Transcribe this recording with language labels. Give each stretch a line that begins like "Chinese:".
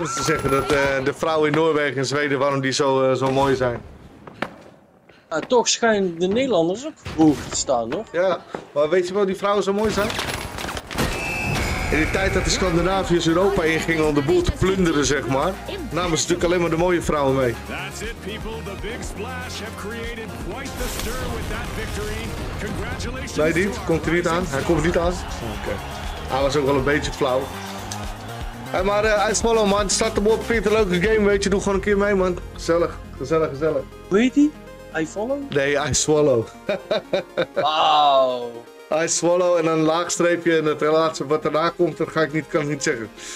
Dutch: Dat ze zeggen dat de vrouwen in Noorwegen en Zweden, waarom die zo mooi zijn. Ja, toch schijnen de Nederlanders ook boven te staan, toch? Ja, maar weet je wel, die vrouwen zo mooi zijn? In de tijd dat de Scandinaviërs Europa ingingen om de boel te plunderen, zeg maar, namen ze natuurlijk alleen maar de mooie vrouwen mee.
English: That's it, people. The big splash have created quite the stir with that victory.
Dutch: Congratulations. Nee, niet. Komt hij niet aan? Hij komt niet aan. Oké. Okay. Hij was ook wel een beetje flauw. Hey, maar IJsmallow, man. Start hem op. Vind je het een leuke game, weet je? Doe gewoon een keer mee, man. Gezellig. Hoe heet die? I follow? Nee, I swallow. Wow. I swallow en een laagstreepje en het laatste wat erna komt, dat kan ik niet zeggen.